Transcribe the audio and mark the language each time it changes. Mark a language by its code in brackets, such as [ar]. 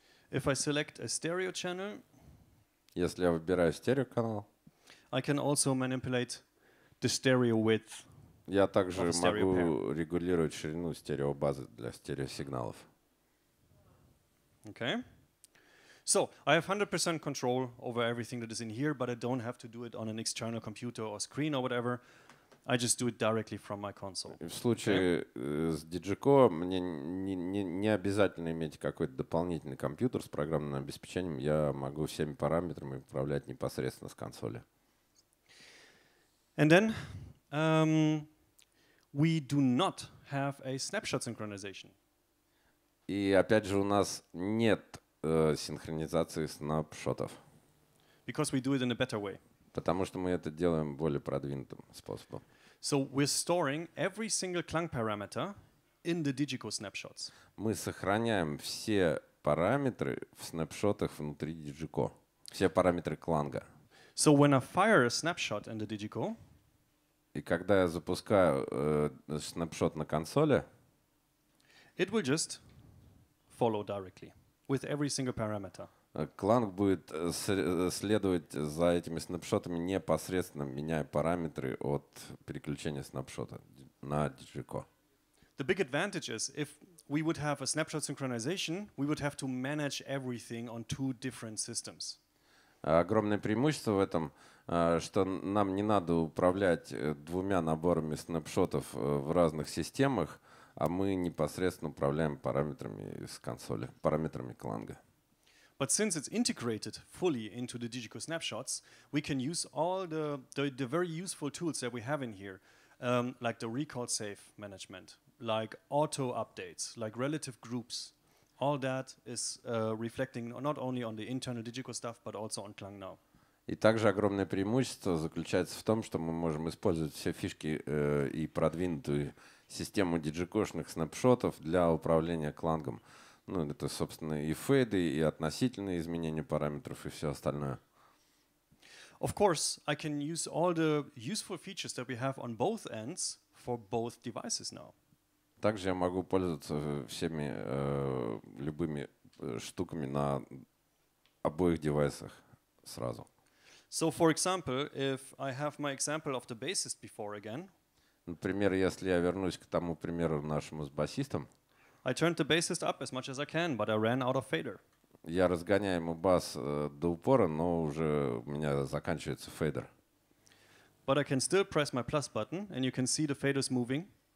[en] If I select a stereo channel, [ru] если я выбираю стереоканал, [en] I can also manipulate the stereo width. [ru] Я также могу регулировать ширину стереобазы для стереосигналов. [en] Okay. So, I have 100% control over everything that is in here, but I don't have to do it on an external computer or screen or whatever. I just do it directly from my console. [ru] В случае с DigiCo мне не обязательно иметь какой-то дополнительный компьютер с программным обеспечением. Я могу всеми параметрами управлять непосредственно с консоли. [en] And then we do not have a snapshot synchronization. [ru] И опять же у нас нет синхронизации снапшотов. [en] Because we do it in a better way. [ru] Потому что мы это делаем более продвинутым способом. [en] So we're storing every single Clang parameter in the DigiCo snapshots. [ru] Мы сохраняем все параметры в снапшотах внутри DigiCo. Все параметры Clang. [en] So when I fire a snapshot in the DigiCo, [ru] и когда я запускаю снапшот на консоли, [en] it will just follow directly with every single parameter. [ru] Clang будет следовать за этими снапшотами непосредственно, меняя параметры от переключения снапшота на DigiCo. [en] The big advantage is if we would have a snapshot synchronization, we would have to manage everything on two different systems. [ru] Огромное преимущество в этом, что нам не надо управлять двумя наборами снапшотов в разных системах, а мы непосредственно управляем параметрами с консоли, параметрами Clang. [en] But since it's integrated fully into the DigiCo snapshots, we can use all the very useful tools that we have in here, like the recall safe management, like auto updates, like relative groups. All that is reflecting not only on the internal DigiCo stuff, but also on Clang now. [ru] И также огромное преимущество заключается в том, что мы можем использовать все фишки и продвинутую систему DigiCo-шных снапшотов для управления Clang-ом. Ну, это, собственно, и фейды, и относительные изменения параметров, и все остальное. [en] Of course, I can use all the useful features that we have on both ends for both devices now. [ru] Также я могу пользоваться всеми любыми штуками на обоих девайсах сразу. [en] So, for example, if I have my example of the bassist before again. [ru] Например, если я вернусь к тому примеру нашему с басистом. [en] I turned the bassist up as much as I can, but I ran out of fader. [ru] Я разгоняю ему бас до упора, но уже у меня заканчивается фейдер. [en] But I can still press my plus button, and you can see the faders moving.